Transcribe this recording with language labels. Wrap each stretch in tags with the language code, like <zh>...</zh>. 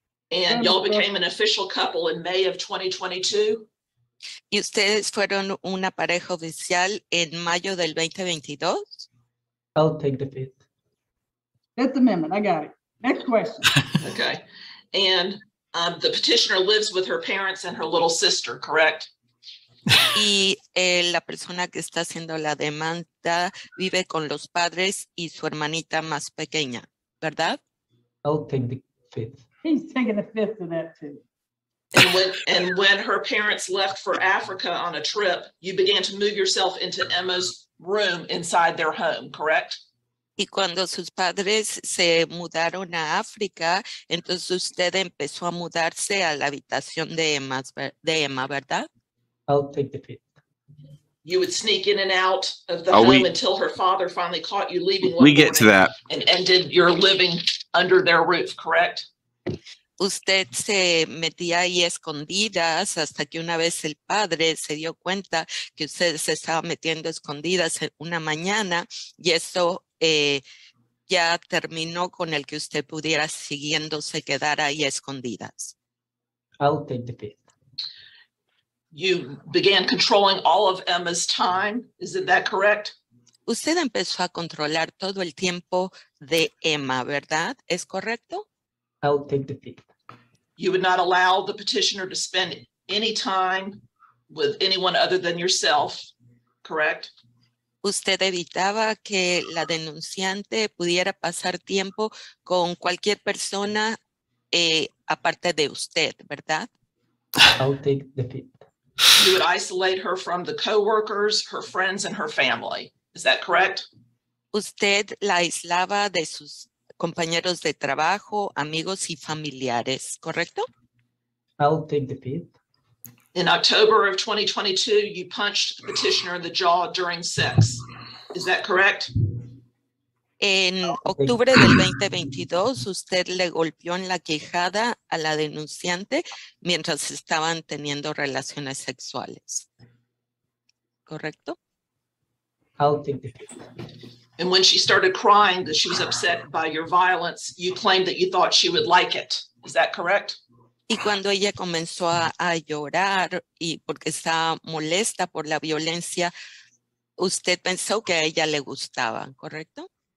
<en>And y'all became an official couple in May of 2022?</en> <es>¿Y ustedes fueron una pareja oficial en mayo del 2022?</es> <en>I'll take the fifth. Fifth Amendment, I got it. Next question. Okay, and the petitioner lives with her parents and her little sister, correct?</en> <es>Y la persona que está haciendo la demanda vive con los padres y su hermanita más pequeña, ¿verdad?</es> <en>I'll take the fifth. He's taking the fifth of that too. And when her parents left for Africa on a trip, you began to move yourself into Emma's room inside their home, correct?</en> <es>Y cuando sus padres se mudaron a África, entonces usted empezó a mudarse a la habitación de Emma, ¿verdad?</es> <en>I'll take the fifth. You would sneak in and out of the home until her father finally caught you leaving. We get to that. And ended your living under their roof, correct?</en> <es>Usted se metía ahí escondidas hasta que una vez el padre se dio cuenta que usted se estaba metiendo escondidas una mañana y eso ya terminó con el que usted pudiera siguiéndose quedar ahí escondidas.</es> <en>I'll take the fifth. You began controlling all of Emma's time, isn't that correct?</en> <es>Usted empezó a controlar todo el tiempo de Emma, ¿verdad? ¿Es correcto?</es> <en>I'll take the fifth. You would not allow the petitioner to spend any time with anyone other than yourself, correct?</en> <es>Usted evitaba que la denunciante pudiera pasar tiempo con cualquier persona aparte de usted, ¿verdad?</es> <en>I'll take the fifth. You would isolate her from the co-workers, her friends, and her family. Is that correct?</en> <es>Usted la aislaba de sus compañeros de trabajo, amigos y familiares, ¿correcto?</es> <en>I'll take the fifth. In October of 2022, you punched the petitioner in the jaw during sex. Is that correct?</en> <es>En octubre del 2022, usted le golpeó en la quijada a la denunciante mientras estaban teniendo relaciones sexuales. ¿Correcto?</es> <en>I'll take the fifth. And when she started crying that she was upset by your violence, you claimed that you thought she would like it. Is that correct?</en> <es>Y cuando ella comenzó a llorar y porque estaba molesta por la violencia, usted pensó que a ella le gustaba, ¿correcto?</es>